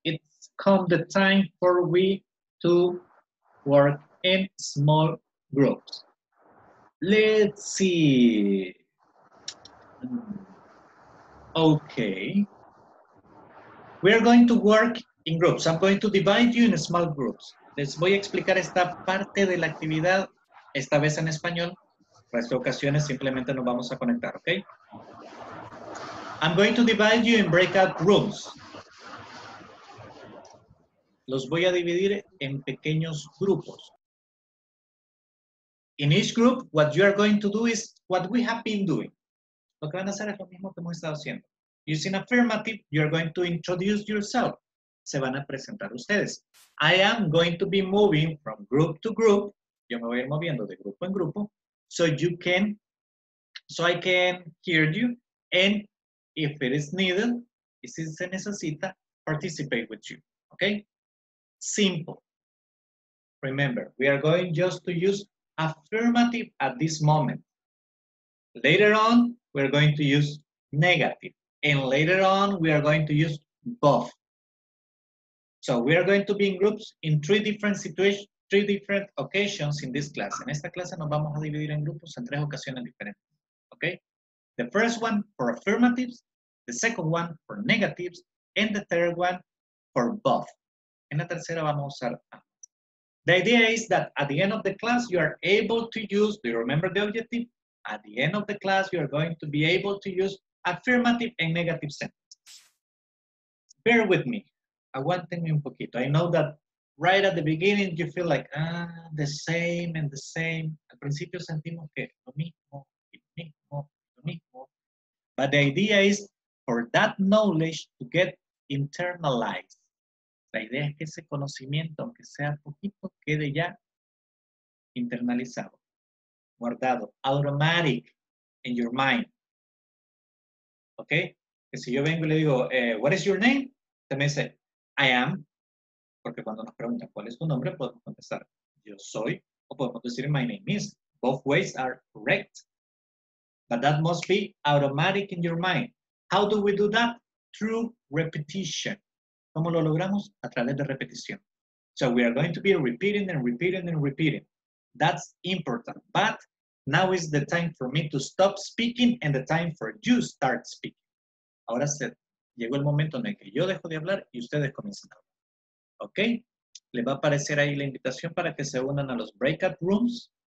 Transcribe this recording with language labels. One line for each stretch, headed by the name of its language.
English: It's come the time for we to work in small groups. Let's see. Okay. We are going to work in groups. I'm going to divide you in small groups.
Spanish: Les voy a explicar esta parte de la actividad. Esta vez en español, para estas ocasiones simplemente nos vamos a conectar, ¿ok?
English: I'm going to divide you in breakout rooms.
Spanish: los voy a dividir en pequeños grupos.
English: In each group, what you are going to do is what we have been doing.
Spanish: Lo que van a hacer es lo mismo que hemos estado haciendo.
English: Using affirmative, you are going to introduce yourself.
Spanish: Se van a presentar ustedes.
English: I am going to be moving from group to group.
Spanish: Yo me voy a ir moviendo de grupo en grupo.
English: So I can hear you. And if it is needed,
Spanish: y si se necesita,
English: participate with you. Okay? Simple. Remember, we are going just to use affirmative at this moment. Later on, we're going to use negative. And later on, we are going to use both. So we are going to be in groups in three different situations, three different occasions in this class.
Spanish: En esta clase nos vamos a dividir en grupos en tres ocasiones diferentes.
English: Okay? The first one for affirmatives, the second one for negatives, and the third one for both.
Spanish: En la tercera vamos a usar ambos.
English: The idea is that at the end of the class, you are able to use, do you remember the objective? At the end of the class, you are going to be able to use affirmative and negative sentences. Bear with me.
Spanish: Aguantenme un poquito.
English: I know that right at the beginning, you feel like, the same and the same.
Spanish: Al principio sentimos que lo mismo, lo mismo, lo mismo.
English: But the idea is for that knowledge to get internalized.
Spanish: La idea es que ese conocimiento, aunque sea poquito, quede ya internalizado, guardado,
English: automatic in your mind. Okay?
Spanish: Que si yo vengo y le digo,
English: what is your name?
Spanish: Usted me dice,
English: I am.
Spanish: Porque cuando nos preguntan cuál es tu nombre, podemos contestar, yo soy. O podemos decir,
English: my name is. Both ways are correct. But that must be automatic in your mind. How do we do that? Through repetition.
Spanish: ¿Cómo lo logramos? A través de repetición.
English: So we are going to be repeating and repeating and repeating. That's important. But now is the time for me to stop speaking and the time for you to start speaking.
Spanish: Ahora se llegó el momento en el que yo dejo de hablar y ustedes comienzan a hablar. ¿Ok? Les va a aparecer ahí la invitación para que se unan a los breakout rooms.